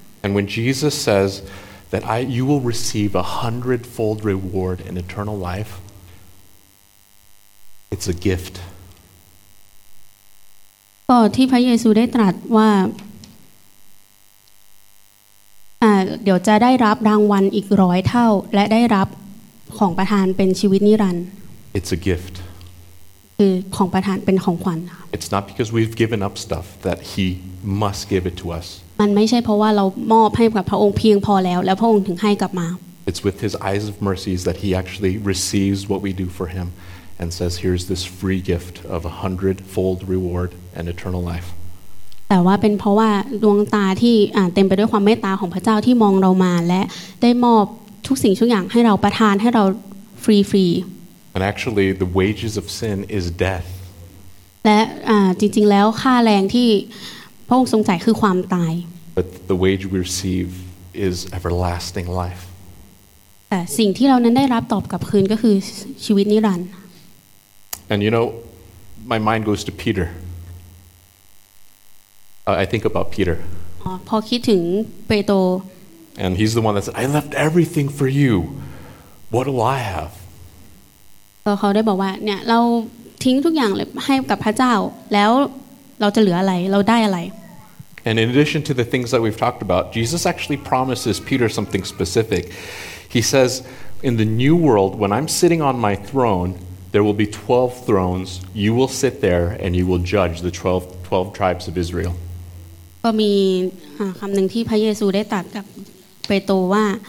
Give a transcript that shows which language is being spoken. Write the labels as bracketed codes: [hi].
[en] And when Jesus says that you will receive a 100-fold reward in eternal life, It's a gift. [th] ก็ที่พระเยซูได้ตรัสว่าเดี๋ยวจะได้รับรางวัลอีก100เท่าและได้รับของประทานเป็นชีวิตนิรันดร์ [en] It's a gift. [th] คือของประทานเป็นของขวัญ [en] It's not because we've given up stuff that he must give it to us. [th] มันไม่ใช่เพราะว่าเรามอบให้กับพระองค์เพียงพอแล้วแล้วพระองค์ถึงให้กลับมา [en] It's with his eyes of mercies that he actually receives what we do for him and says here's this free gift of a hundredfold reward and eternal life. [th] แต่ว่าเป็นเพราะว่าดวงตาที่เต็มไปด้วยความเมตตาของพระเจ้าที่มองเรามาและได้มอบทุกสิ่งทุกอย่างให้เราประทานให้เราฟรีฟรี [en] And actually the wages of sin is death [th] และจริงๆแล้วค่าแรงที่พระองค์ทรงจ่ายคือความตาย [en] But the wage we receive is everlasting life [th] แต่สิ่งที่เรานั้นได้รับตอบกลับคืนก็คือชีวิตนิรันดร์ [en] And you know my mind goes to PeterI think about Peter. [th] พอคิดถึงเปโตร [en] And he's the one that said, "I left everything for you. What will I have?" [th] เขาได้บอกว่าเนี่ยเราทิ้งทุกอย่างเลยให้กับพระเจ้าแล้วเราจะเหลืออะไรเราได้อะไร [en] And in addition to the things that we've talked about, Jesus actually promises Peter something specific. He says, "In the new world, when I'm sitting on my throne, there will be 12 thrones. You will sit there, and you will judge the 12 tribes of Israel." [th] ก็มีคำหนึ่งที่พระเยซูได้ตรัสกับเปโตรว่า